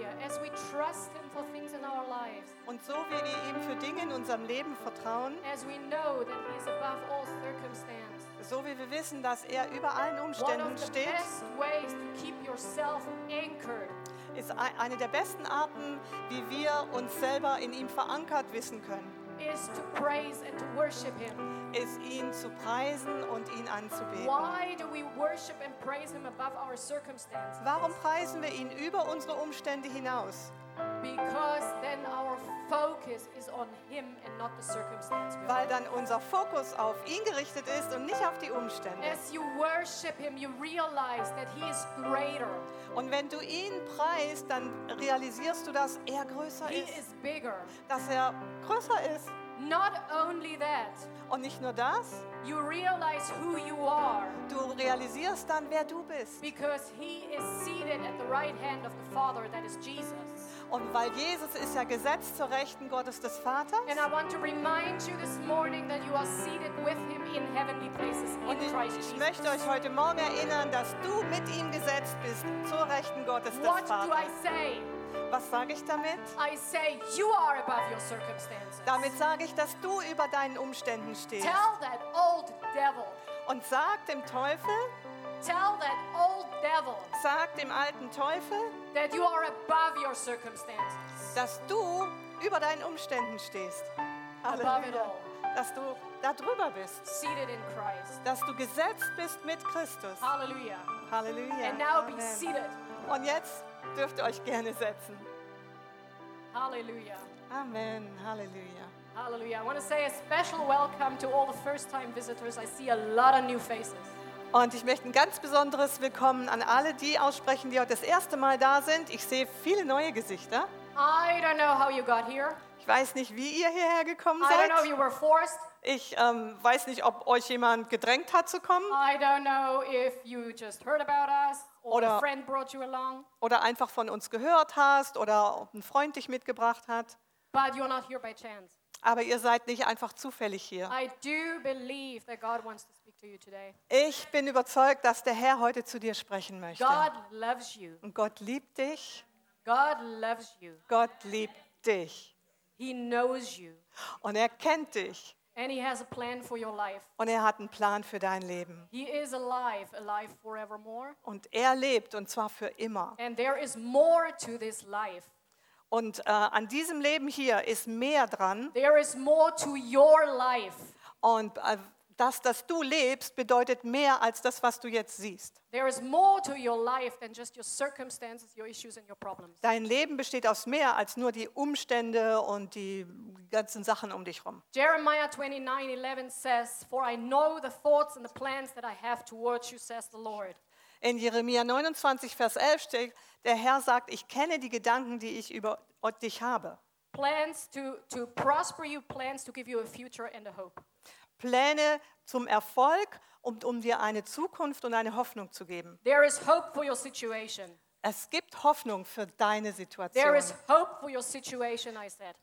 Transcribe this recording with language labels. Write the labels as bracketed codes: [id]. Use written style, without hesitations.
[en] As we trust him for things in our lives, [de] und so wie wir ihm für Dinge in unserem Leben vertrauen, [en] as we know that he is above all circumstances, [de] so wie wir wissen, dass er über allen Umständen steht, [en] one of the best ways to keep yourself anchored, [de] ist eine der besten Arten, wie wir uns selber in ihm verankert wissen können, [en] is to praise and to worship him, [de] ist ihn zu preisen und ihn anzubeten. [en] Why do we worship and praise him above our circumstances? [de] Warum preisen wir ihn über unsere Umstände hinaus? [en] Because then our focus is on him and not the circumstances. [de] Weil dann unser Fokus auf ihn gerichtet ist und nicht auf die Umstände. [en] As you worship him, you realize that he is greater. [de] Und wenn du ihn preist, dann realisierst du, dass er größer ist. [en] He is bigger. [de] Dass er größer ist. [en] Not only that. [de] Und nicht nur das. [en] You realize who you are. [de] Du realisierst dann, wer du bist. [en] Because he is seated at the right hand of the Father, that is Jesus. [de] Und weil Jesus ist ja gesetzt zur Rechten Gottes des Vaters. [en] And I want to remind you this morning that you are seated with him in heavenly places in Christ Jesus. [de] Ich möchte euch heute Morgen erinnern, dass du mit ihm gesetzt bist zur Rechten Gottes des Vaters. [en] What do I say? [de] Was sage ich damit? [en] I say you are above your circumstances. [de] Damit sage ich, dass du über deinen Umständen stehst. [en] Tell that old devil. [de] Und sag dem Teufel. [en] Tell that old devil. [de] Sag dem alten Teufel. [en] That you are above your circumstances. [de] Dass du über deinen Umständen stehst. Halleluja. [en] Above it all. [de] Dass du da drüber bist. [en] Seated in Christ. [de] Dass du gesetzt bist mit Christus. [en] Halleluja. [de] Halleluja. [en] And now [de] Amen. [en] Be seated. [de] Und jetzt dürft ihr euch gerne setzen. [en] Halleluja. [de] Amen. Halleluja. [en] Halleluja. I want to say a special welcome to all the first-time visitors. I see a lot of new faces. [de] Und ich möchte ein ganz besonderes Willkommen an alle die aussprechen, die heute das erste Mal da sind. Ich sehe viele neue Gesichter. [en] I don't know how you got here. [de] Ich weiß nicht, wie ihr hierher gekommen seid. [en] I don't know if you were forced. [de] Ich weiß nicht, ob euch jemand gedrängt hat zu kommen. [en] I don't know if you just heard about us. [de] Oder [en] a friend brought you along. [de] Oder einfach von uns gehört hast oder ein Freund dich mitgebracht hat. [en] But you're not here by chance. [de] Aber ihr seid nicht einfach zufällig hier. [en] I do believe that God wants to speak to you today. [de] Ich bin überzeugt, dass der Herr heute zu dir sprechen möchte. [en] God loves you. [de] Und Gott liebt dich. [en] God loves you. [de] Gott liebt dich. [en] He knows you. [de] Und er kennt dich. [en] And he has a plan for your life. [de] Und er hat einen Plan für dein Leben. [en] He is alive, alive forevermore. [de] Und er lebt, und zwar für immer. [en] And there is more to this life. [de] Und an diesem Leben hier ist mehr dran. [en] There is more to your life. [de] Und dass du lebst, bedeutet mehr als das, was du jetzt siehst. [en] There is more to your life than just your circumstances, your issues and your problems. [de] Dein Leben besteht aus mehr als nur die Umstände und die ganzen Sachen um dich rum. [en] Jeremiah 29:11 says, "For I know the thoughts and the plans that I have towards you," says the Lord. [de] In Jeremia 29, Vers 11 steht, der Herr sagt, ich kenne die Gedanken, die ich über dich habe. [en] Plans to prosper you, plans to give you a future and a hope. [de] Pläne zum Erfolg, um dir eine Zukunft und eine Hoffnung zu geben. [en] There is hope for your situation. [de] Es gibt Hoffnung für deine Situation. [en] There is hope for your situation, I said.